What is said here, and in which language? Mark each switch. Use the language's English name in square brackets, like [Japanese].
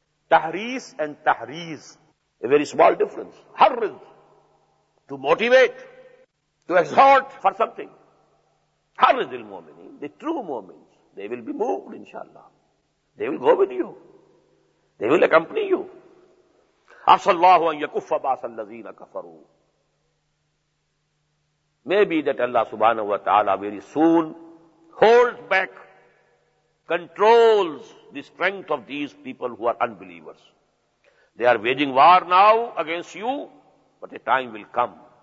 [English] Tahriz and tahriz. A very small difference. Harriz. To motivate. To exhort for something. Harriz al-mu'mineen. The true mu'mins. They will be moved, inshallah. They will go with you. They will accompany you. [Arabic] عسى الله ان يكف باس الذين كفروا. [English] Maybe that Allah subhanahu wa ta'ala very soon holds back, controls the strength of these people who are unbelievers. They are waging war now against you, but a time will come.